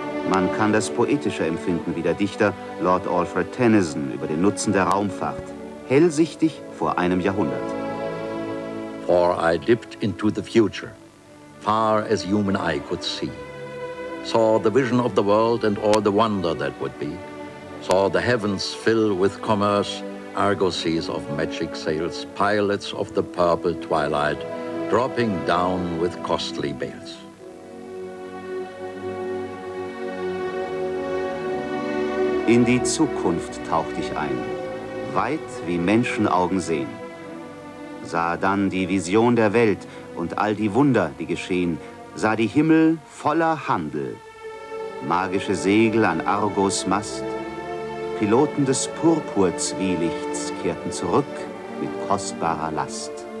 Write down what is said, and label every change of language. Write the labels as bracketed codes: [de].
[de] Man kann das poetischer empfinden, wie der Dichter Lord Alfred Tennyson über den Nutzen der Raumfahrt, hellsichtig vor einem Jahrhundert. [en] For I dipped into the future, far as human eye could see, saw the vision of the world and all the wonder that would be, saw the heavens fill with commerce, argosies of magic sails, pilots of the purple twilight, dropping down with costly bales. [de] In die Zukunft tauchte ich ein, weit wie Menschenaugen sehen. Sah dann die Vision der Welt und all die Wunder, die geschehen, sah die Himmel voller Handel. Magische Segel an Argos Mast, Piloten des Purpurzwielichts kehrten zurück mit kostbarer Last.